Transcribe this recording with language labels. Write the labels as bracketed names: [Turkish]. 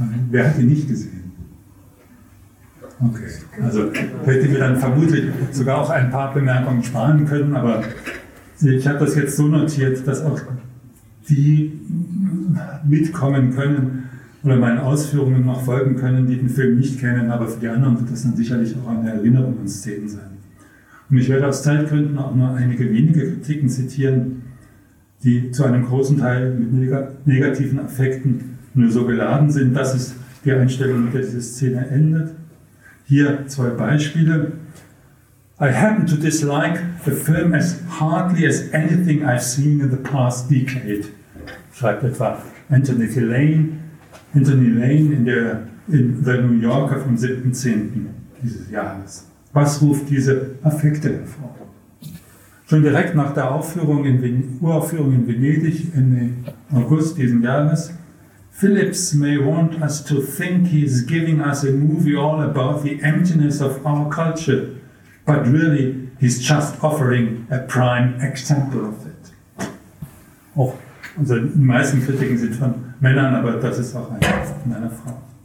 [German] Wer hat ihn nicht gesehen? Okay, also hätte mir dann vermutlich sogar auch ein paar Bemerkungen sparen können, aber ich habe das jetzt so notiert, dass auch die mitkommen können oder meinen Ausführungen noch folgen können, die den Film nicht kennen, aber für die anderen wird das dann sicherlich auch eine Erinnerung an Szenen sein. Und ich werde aus Zeitgründen auch nur einige wenige Kritiken zitieren, die zu einem großen Teil mit negativen Affekten nur so geladen sind, dass es die Einstellung, mit der diese Szene endet. Hier zwei Beispiele. [English] I happen to dislike the film as hardly as anything I've seen in the past decade, [German] schreibt etwa Anthony Lane in The New Yorker vom 7.10. dieses Jahres. Was ruft diese Affekte hervor? Schon direkt nach der Uraufführung in Venedig Ende August diesen Jahres: [English] Phillips may want us to think he is giving us a movie all about the emptiness of our culture, but really he's just offering a prime example of it. [German] Auch, also die meisten Kritiken sind von Männern, aber das ist auch eine von einer Frau.